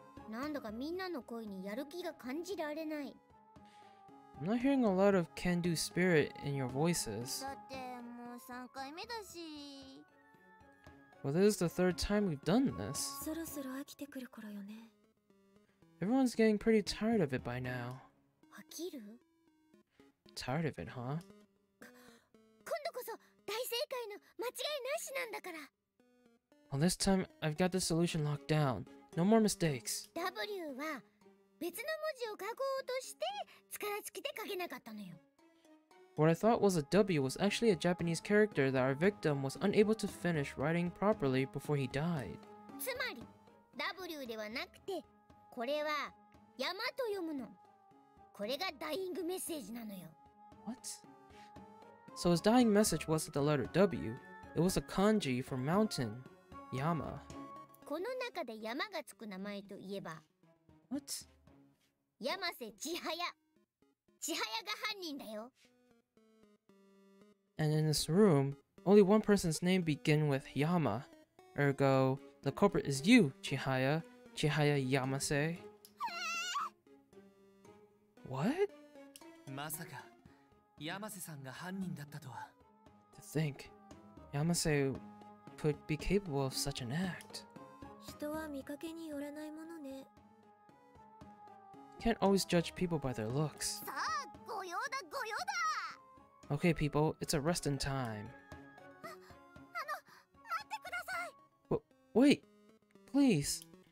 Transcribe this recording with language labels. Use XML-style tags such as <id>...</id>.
<ja>何だかみんなの声にやる気が感じられない。</ja> <en>I'm not hearing a lot of can-do spirit in your voices.</en> <ja>だってもう3回目だし。</ja> <en>Well, this is the third time we've done this.</en> <ja>そろそろ飽きてくる頃よね。</ja> <en>Everyone's getting pretty tired of it by now. Tired of it, huh?</en> <ja>今度こそ大正解の間違いなしなんだから。</ja> <en>Well, this time I've got the solution locked down. No more mistakes.</en> <ja>W は別の文字を書こうとして力尽きて書けなかったのよ。</ja> <en>What I thought was a W was actually a Japanese character that our victim was unable to finish writing properly before he died.</en> <ja>つまり W ではなくてこれは山と読むの。これがダイイングメッセージなのよ。</ja> <en>What? So his dying message wasn't the letter W. It was a kanji for mountain, yama.</en> <ja>この中で山がつく名前といえば。</ja> <en>What?</en> <ja>山瀬千早。千早が犯人だよ。</ja> <en>And in this room, only one person's name begin with yama. Ergo, the culprit is you, Chihaya. Chihaya Yamase. What?</en> <ja>まさか、山瀬さんが犯人だったとは。</ja> <en>To think, Yamase could be capable of such an act.</en> <ja>人は見かけによらないものね。</ja> <en>Can't always judge people by their looks.</en> <ja>さあ、御用だ、御用だ!</ja> <en>Okay, people, it's a resting time.</en> <ja>あの、待ってください!</ja> <en>Wait, please.</en>